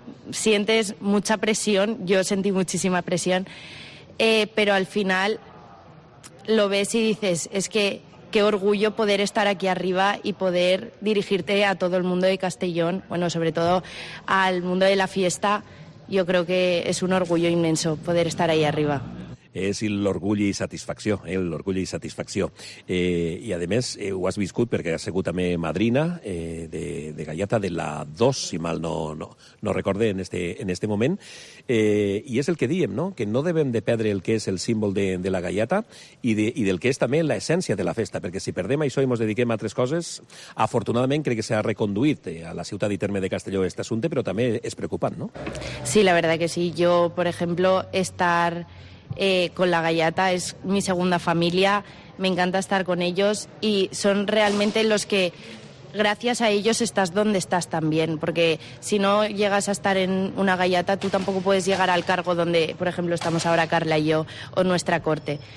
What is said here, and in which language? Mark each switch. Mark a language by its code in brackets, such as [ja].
[es] Sientes mucha presión, yo sentí muchísima presión, pero al final lo ves y dices, es que... Qué orgullo poder estar aquí arriba y poder dirigirte a todo el mundo de Castellón, bueno, sobre todo al mundo de la fiesta. Yo creo que es un orgullo inmenso poder estar ahí arriba. Es el orgullo y satisfacción, el orgullo y satisfacción. Y además, [ca] ho has viscut perquè has sigut també madrina de Gallata, de la 2, si mal no recordé en este moment. I és el que diem, no? Que no devem de perdre el que és el símbol de la Gallata i del que és també la essència de la festa, perquè si perdem això i ens dediquem a altres coses, afortunadament crec que s'ha reconduït a la ciutat i terme de Castelló aquest assumpte, però també és preocupant, no? [es] Sí, la verdad que sí. Yo, por ejemplo, estar... con la Gallata, es mi segunda familia, me encanta estar con ellos y son realmente los que, gracias a ellos, estás donde estás también, porque si no llegas a estar en una Gallata, tú tampoco puedes llegar al cargo donde, por ejemplo, estamos ahora Carla y yo, o nuestra corte.